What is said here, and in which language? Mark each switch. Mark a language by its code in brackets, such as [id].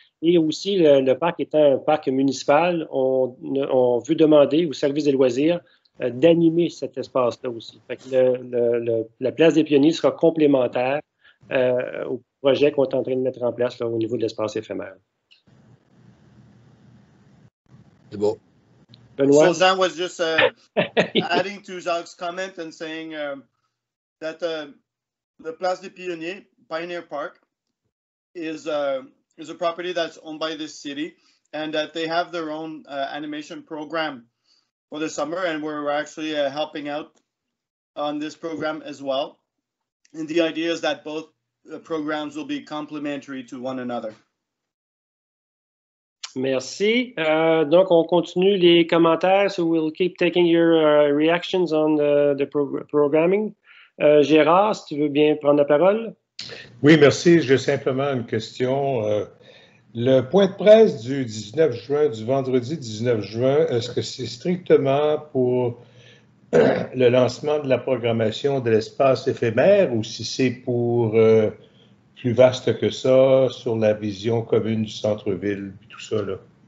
[fr] Et aussi, le parc étant un parc municipal, on veut demander au service des loisirs d'animer cet espace-là aussi. Fait que la place des pionniers sera complémentaire au projet qu'on est en train de mettre en place là, au niveau de l'espace éphémère. C'est bon. Benoit. [en] So Jean was just adding to Jacques' comment and saying that the Place des Pionniers, Pioneer Park, is a property that's owned by this city, and that they have their own animation program for the summer, and we're actually helping out on this program as well. And the idea is that both programs will be complementary to one another. [fr] Merci. Donc, on continue les commentaires. [en] So we'll keep taking your reactions on the programming. [fr] Gérard, si tu veux bien prendre la parole. Oui, merci. J'ai simplement une question. Le point de presse du 19 juin, du vendredi 19 juin, est-ce que c'est strictement pour le lancement de la programmation de l'espace éphémère ou si c'est pour plus vaste que ça, sur la vision commune du centre-ville et tout ça, là?